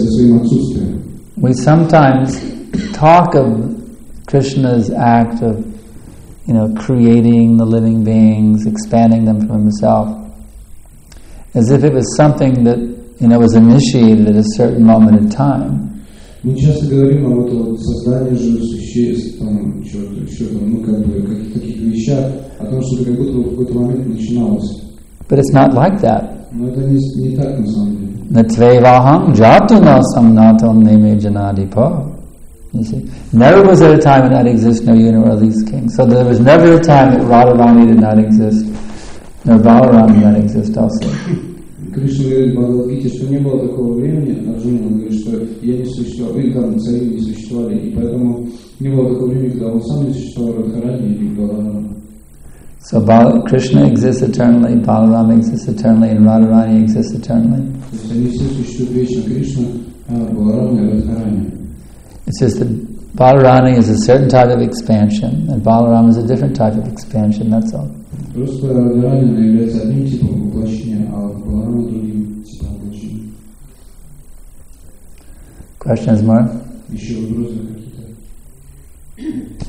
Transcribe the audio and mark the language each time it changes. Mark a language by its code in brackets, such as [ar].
[en] We sometimes talk of Krishna's act of, you know, creating the living beings, expanding them from himself, as if it was something that, you know, was initiated at a certain moment in time. [ru] Мы часто говорим об этом создании живых существ, там, каких-то вещах, о том, что это как будто в какой-то момент начиналось. [en] But it's not like that. [ru] Но это не так на самом деле. [sa] Натвейвахам джатуна самнатам неме джанадипа. [en] You see, never was there a time when that exists, no universe came. So there was never a time that Radharani did not exist, nor Balaram did not exist also. [ru] Кришна говорит в Бхагавад-гите, что не было такого времени, Арджуна говорит, что я не существовал, и там цари не существовали, и поэтому не было такого времени, когда он сам не существовал, Радхарани или Баларама. [en] So Krishna exists eternally, Balaram exists eternally, and Radharani exists eternally. [ru] То есть они все существуют вечно, Кришна, Баларама и Радхарани. [en] It's just that Balarani is a certain type of expansion, and Balaram is a different type of expansion, that's all. [ru] Просто Радхарани является одним типом воплощения, а Баларама другим типом воплощения. [en] Questions more? [ru] Еще вопросы какие-то?